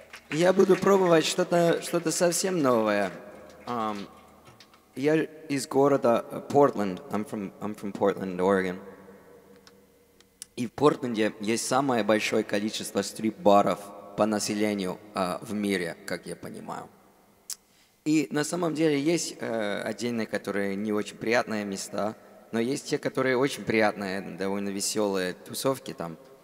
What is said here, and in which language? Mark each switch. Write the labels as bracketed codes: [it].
[ru] Я буду пробовать что-то совсем новое. Я из города Портленд. [en] I'm from Portland, Oregon. [ru] И в Портленде есть самое большое количество стрип-баров по населению в мире, как я понимаю. И на самом деле есть отдельные, которые не очень приятные места, но есть те, которые очень приятные, довольно веселые тусовки там.